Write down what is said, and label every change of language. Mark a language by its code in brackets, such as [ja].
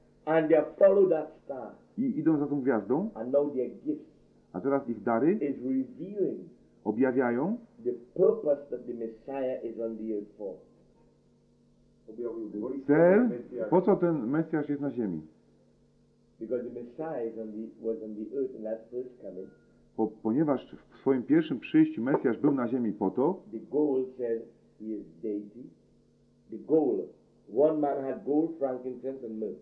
[en] And they have followed that star. [pl] I idą za tą gwiazdą. [en] And now their gifts. [pl] A teraz ich dary [en] is revealing. [pl] Objawiają. [en] The purpose that the Messiah is on the earth for. [pl] Cel, po co ten Mesjasz jest na ziemi? [en] Because the Messiah was on the earth in that first coming. [pl] Ponieważ w swoim pierwszym przyjściu Mesjasz był na ziemi po to. [en] The goal says he is deity. The goal. One man had gold, frankincense and myrrh.